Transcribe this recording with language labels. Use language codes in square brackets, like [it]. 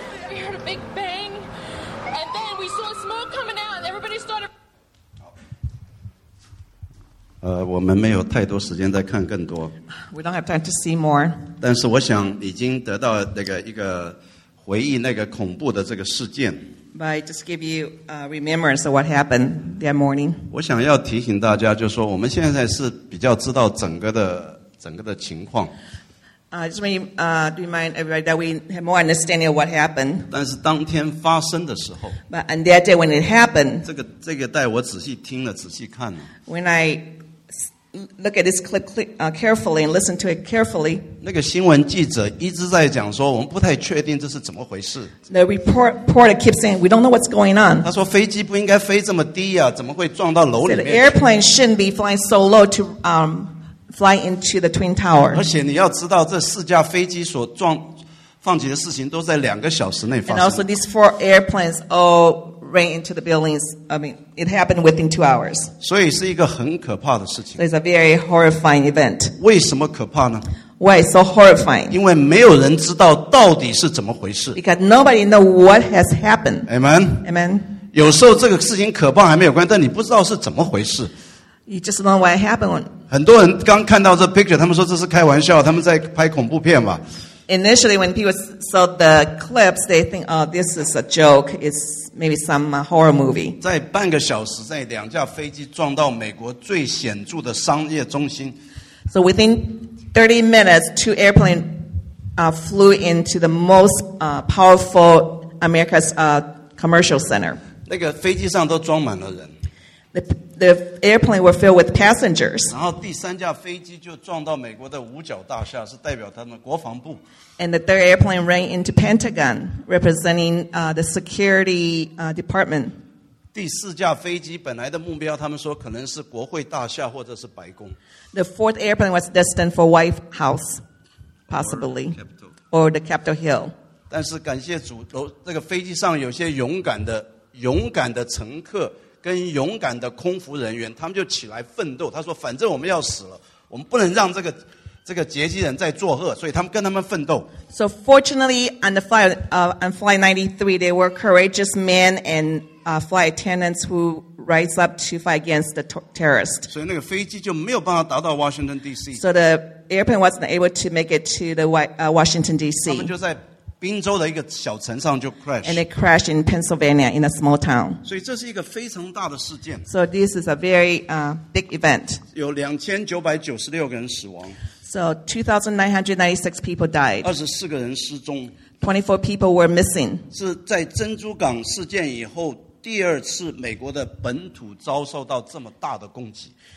[en] We heard a big bang, and then we saw smoke coming out, and everybody started... [zh] 我们没有太多时间再看更多。 [en] We don't have time to see more. [zh] 但是我想已经得到那个一个回忆那个恐怖的这个事件。 [en] But I just give you a remembrance of what happened that morning. [zh] 我想要提醒大家，就是说我们现在是比较知道整个的情况。 [en] Just want to remind everybody that we have more understanding of what happened. [zh] 但是当天发生的时候。 [en] But on that day when it happened. [zh] 这个带我仔细听了，仔细看了。 [en] When I look at this clip carefully and listen to it carefully. [zh] 那个新闻记者一直在讲说，我们不太确定这是怎么回事。 [en] The reporter keeps saying we don't know what's going on. [zh] 他说飞机不应该飞这么低呀，怎么会撞到楼里面？ [en] The airplane shouldn't be flying so low to fly into the twin tower. [zh] 而且你要知道，这四架飞机所撞放起的事情都在两个小时内发生。 [en] And also these four airplanes all ran into the buildings. I mean, it happened within 2 hours. [zh] 所以是一个很可怕的事情。 [en] It's a very horrifying event. [zh] 为什么可怕呢？ [en] Why so horrifying? [zh] 因为没有人知道到底是怎么回事。 [en] Because nobody knows what has happened. Amen. Amen. [zh] 有时候这个事情可怕还没有关系，但你不知道是怎么回事。 [en] You just know what happened. [zh] 很多人刚看到这 picture， 他们说这是开玩笑，他们在拍恐怖片吧。 [en] initially, when people saw the clips, they think, oh, this is a joke. It's maybe some horror movie. [zh] 在半个小时内，两架飞机撞到美国最显著的商业中心。 [en] So within 30 minutes, two airplanes flew into the most powerful America's commercial center. [zh] 那个飞机上都装满了人。 [en] The airplane were filled with passengers. [zh] 然后第三架飞机就撞到美国的五角大厦，是代表他们国防部。 [en] And the third airplane ran into Pentagon, representing the security department. [zh] 第四架飞机本来的目标，他们说可能是国会大厦或者是白宫。 [en] The fourth airplane was destined for White House, possibly, or the Capitol Hill. [zh] 但是感谢主，这个飞机上有些勇敢的乘客。跟勇敢的空服人员，他们就起来奋斗。他说：“反正我们要死了，我们不能让这个劫机人再作恶。” 所以他们跟他们奋斗。 [en] So fortunately, on the flight on flight 93, there were courageous men and flight attendants who rise up to fight against the terrorists. [zh] 所以那个飞机就没有办法达到 Washington D.C. [en] So the airplane wasn't able to make it to the Washington D.C. [zh] 他们就在宾州的一个小城上就 crash， [en] and it crashed in Pennsylvania in a small town。 [zh] 所以这是一个非常大的事件。 [en] So this is a very big event。 [zh] 有2996个人死亡。 [en] So 2,996 people died。 [zh] 24个人失踪。 [en] 24 people were missing。 [zh] 是在珍珠港事件以后第二次美国的本土遭受到这么大的攻击。